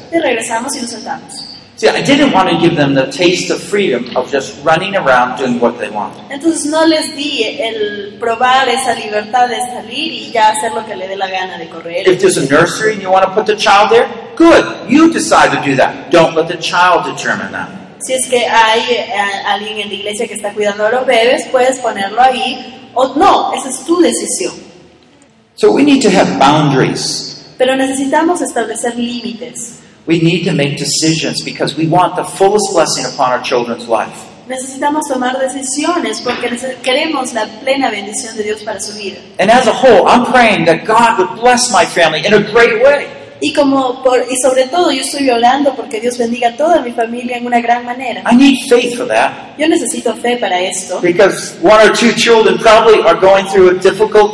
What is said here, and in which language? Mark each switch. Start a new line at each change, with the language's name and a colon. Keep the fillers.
English: Y y See, I didn't want to give them the taste of freedom of just running around doing what they want.
Spanish: Entonces no les di el probar esa libertad de salir y ya hacer lo que le dé la gana de correr.
English: If there's a nursery and you want to put the child there, good. You decide to do that. Don't let the child determine that.
Spanish: Si es que hay a, a, alguien en la iglesia que está cuidando You los bebés, puedes ponerlo ahí. O oh, no, esa es tu decisión.
English: So we need to have boundaries.
Spanish: Pero necesitamos establecer límites.
English: We need to make decisions because we want the fullest blessing upon our children's life.
Spanish: Necesitamos tomar decisiones porque queremos la plena bendición de Dios para su vida.
English: And as a whole, I'm praying that God would bless my family in a great way.
Spanish: Y como por, y sobre todo yo estoy orando porque Dios bendiga a toda mi familia en una gran manera.
English: I need faith for that.
Spanish: Yo necesito fe para esto.
English: Because one or two children probably are going through a difficult